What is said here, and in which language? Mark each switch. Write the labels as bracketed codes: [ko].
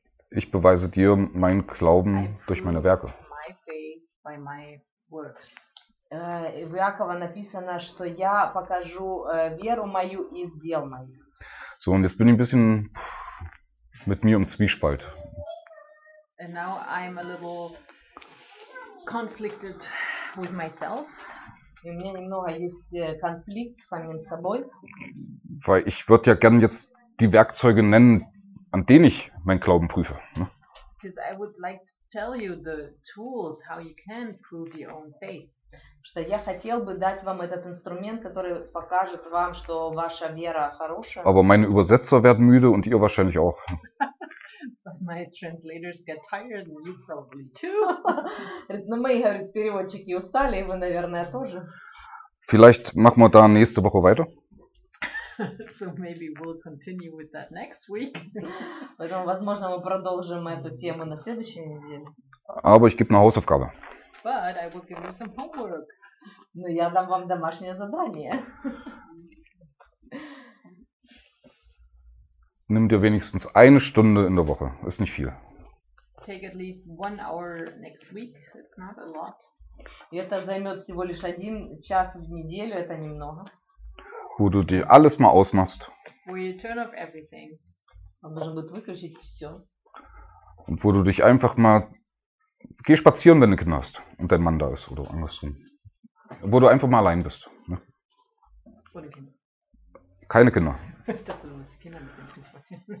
[de] ich beweise dir meinen Glauben durch meine Werke. [en] My faith by my works. [ru] В Иакова написано, что я покажу веру мою из дел моих. [de] So, und jetzt bin ich ein bisschen mit mir im Zwiespalt. [en] And now I'm a little conflicted with myself. [ru] И у меня немного есть конфликт с самим собой. [de] Weil ich würde ja gern jetzt die Werkzeuge nennen, an denen ich meinen Glauben prüfe. Ne? [en] Because I would like to tell you the tools how you can prove your own faith. [ru] Что я хотел бы дать вам этот инструмент, который покажет вам, что ваша вера хорошая. [de] Aber meine Übersetzer werden müde und ihr wahrscheinlich auch. [en] But my translators get tired and you probably too. [ru] Но мои, говорит, переводчики устали, и вы, наверное, тоже. [de] Vielleicht machen wir da nächste Woche weiter. [en] So maybe we'll continue with that next week. [ru] Поэтому, возможно, мы продолжим эту тему на следующей неделе. [de] Aber ich gebe eine Hausaufgabe. [en] But I will give you some homework. [ru] Ну, я дам вам домашнее задание. [de] Nimm dir wenigstens eine Stunde in der Woche. Ist nicht viel. [en] Take at least one hour next week. It's not a lot. [ru] Это займет всего лишь один час в неделю. Это немного. [de] Wo du dir alles mal ausmachst. [en] Where you turn off everything. [ru] Он должен будет выключить все. [de] Und wo du dich einfach mal... Geh spazieren, wenn du Kinder hast und dein Mann da ist oder andersrum. Wo du einfach mal allein bist. Ne? Ohne Kinder. Keine Kinder. Das sind nur Kinder mit dem Spazieren.